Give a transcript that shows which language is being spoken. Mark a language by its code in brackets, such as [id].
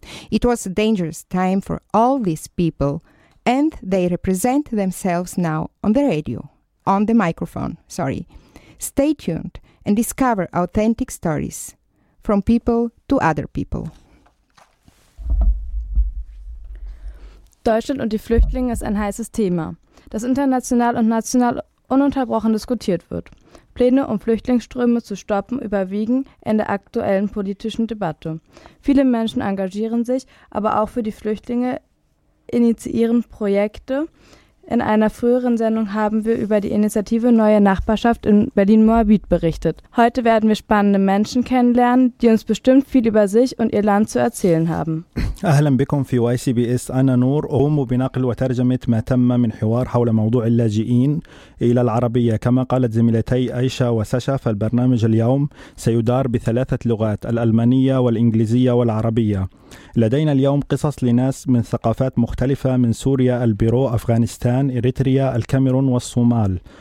[en] It was a dangerous time for all these people and they represent themselves now on the radio, on the microphone, sorry. Stay tuned and discover authentic stories from people to other people. [de] Deutschland und die Flüchtlinge ist ein heißes Thema, das international und national ununterbrochen diskutiert wird. Pläne, um Flüchtlingsströme zu stoppen, überwiegen in der aktuellen politischen Debatte. Viele Menschen engagieren sich, aber auch für die Flüchtlinge initiieren Projekte. In einer früheren Sendung haben wir über die Initiative Neue Nachbarschaft in Berlin-Moabit berichtet. Heute werden wir spannende Menschen kennenlernen, die uns bestimmt viel über sich und ihr Land zu erzählen haben. [ar] أهلا بكم في YCBS. أنا نور أقوم بنقل وترجمة ما تم من حوار حول موضوع اللاجئين إلى العربية. كما قالت زميلتي أيشا وساشا فالبرنامج اليوم سيدار بثلاثة لغات الألمانية والإنجليزية والعربية. لدينا اليوم قصص لناس من ثقافات مختلفة من سوريا، البيرو، أفغانستان، إريتريا، الكاميرون والصومال.